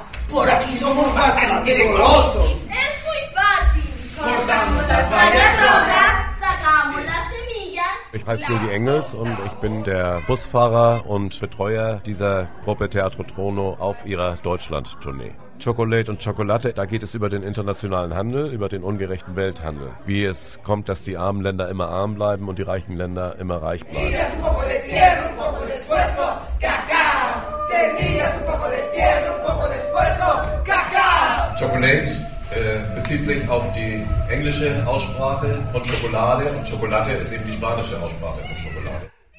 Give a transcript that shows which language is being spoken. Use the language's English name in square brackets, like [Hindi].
[Spanish] Por aquí somos más peligrosos. Es muy fácil. Cortamos las vallas rojas. [German] Ich heiße Jürgen Engels und ich bin der Busfahrer und Betreuer dieser Gruppe Teatro Trono auf ihrer Deutschland-Tournee. Chocolate und Chocolate, da geht es über den internationalen Handel, über den ungerechten Welthandel. Wie es kommt, dass die armen Länder immer arm bleiben und die reichen Länder immer reich bleiben. [Spanish] Semillas un poco de tierra, un poco de esfuerzo, cacao. Semillas un poco de tierra, un poco de esfuerzo, cacao. [German] Chocolate bezieht sich auf die englische Aussprache von Schokolade und Schokolade ist eben die spanische Aussprache von Schokolade.